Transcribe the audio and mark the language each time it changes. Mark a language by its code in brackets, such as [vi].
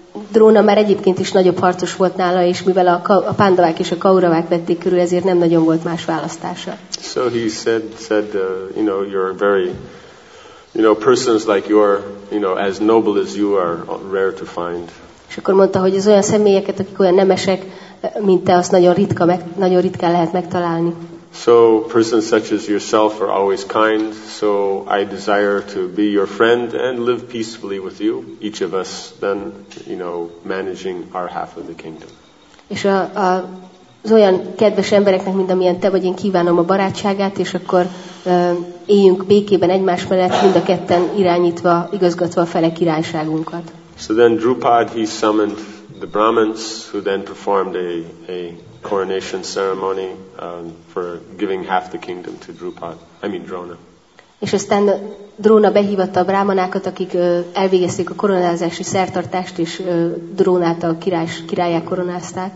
[hu] Drona már egyébként is nagyobb harcos volt nála, és mivel a Pandavák és a Kauravák vették körül, ezért nem nagyon volt más választása. [en] So he said, you know, you're very, you know, persons like you are, you know, as noble as you are rare to find. [hu] És akkor mondta, hogy az olyan személyeket, akik olyan nemesek, mint te, azt nagyon ritkán lehet megtalálni. [en] So persons such as yourself are always kind, so I desire to be your friend and live peacefully with you, each of us then, you know, managing our half of the kingdom. [hu] És az olyan kedves embereknek, mint amilyen te vagy, én kívánom a barátságát, és akkor éljünk békében egymás mellett, mind a ketten irányítva, igazgatva a fele királyságunkat. [en] So then Drupad, he summoned the Brahmins, who then performed a coronation ceremony for giving half the kingdom to Drupad. I mean Drona. [hu] És aztán Drona behívatta a brámanákat, akik elvégezték a koronázási szertartást, és Drónát a királyá koronázták.